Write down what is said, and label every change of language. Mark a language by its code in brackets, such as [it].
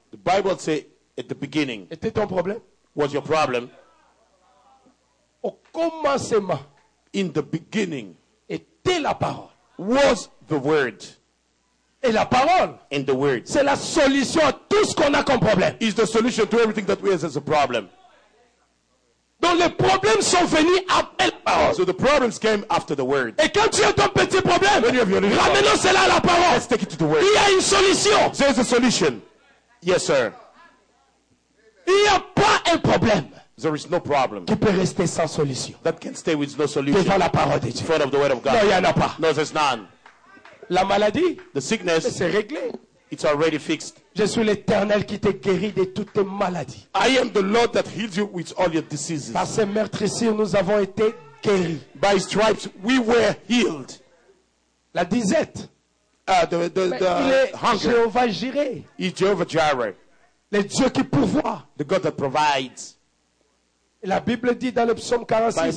[en] The Bible say at the beginning. [fr] Était ton problème? [en] Was your problem? [fr] Au commencement. [en] In the beginning. [fr] Était la parole. [en] Was the word. [fr] Et la parole. [en] And the word. [fr] C'est la solution à tout ce qu'on a comme problème. [en] Is the solution to everything that we have as a problem. [fr] Donc les problèmes sont venus après la parole. [en] So the problems came after the word. [fr] Et quand tu as ton petit problème, ramenons cela à la parole. [en] Let's take it to the word. [fr] Il y a une solution. [en] There's a solution. Yes, sir. [fr] Il n'y a pas un problème. [en] There is no problem. [fr] Qui peut rester sans solution. [en] That can stay with no solution. [fr] Devant la parole de Dieu. [en] In front of the word of God. [fr] Non, il n'y en a pas. [en] No, there's none. [fr] La maladie. [en] The sickness. [fr] Mais c'est réglé. [en] It's already fixed. [fr] Je suis l'Éternel qui te guérit de toutes tes maladies. [en] I am the Lord that heals you with all your diseases. [fr] Par ses meurtres ici, nous avons été guéris. [en] By his stripes, we were healed. [fr] La disette. [en] The hunger. [fr] Jéhovah Jireh. [en] It's Jehovah Jireh. [fr] Le Dieu qui pourvoit. [en] The God that provides. [fr] La Bible dit dans le psaume 46.